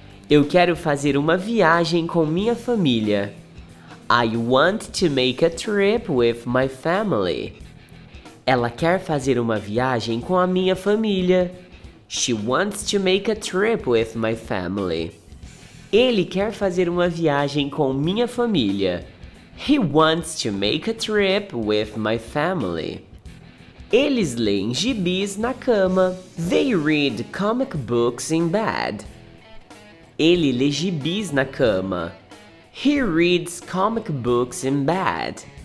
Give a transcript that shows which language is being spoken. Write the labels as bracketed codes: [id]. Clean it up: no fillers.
[pt] Eu quero fazer uma viagem com minha família. [en] I want to make a trip with my family. [pt] Ela quer fazer uma viagem com a minha família. [en] She wants to make a trip with my family. [pt] Ele quer fazer uma viagem com minha família. [en] He wants to make a trip with my family. [pt] Eles leem gibis na cama. [en] They read comic books in bed. [pt] Ele lê gibis na cama. [en] He reads comic books in bed.